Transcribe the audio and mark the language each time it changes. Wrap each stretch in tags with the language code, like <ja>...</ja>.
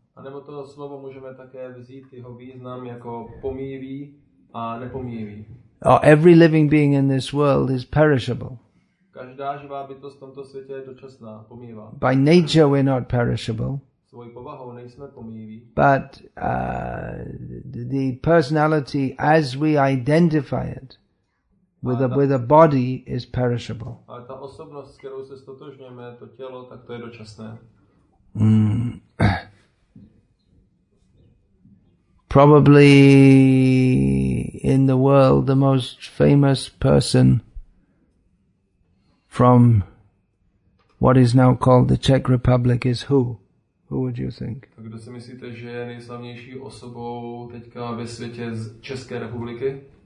<cs>A nebo to slovo můžeme také vzít jeho význam jako pomíjivý a nepomíjivý.</cs> <en>Or every living being in this world is perishable.</en> <cs>Každá živá bytost v tomto světě je dočasná, pomývá.</cs> <en>By nature we're not perishable.</en> <cs>Svojí povahou nejsme pomýví.</cs> <en>But the personality as we identify it with a body is perishable.</en> <cs>A ta osobnost, s kterou se stotožňujeme, to tělo, tak to je dočasné.</cs> <en>Probably in the world the most famous person from what is now called the Czech Republic is who? Who would you think?</en> <cs>Kdo si myslíte, že je nejslavnější osobou teďka ve světě z České republiky?</cs>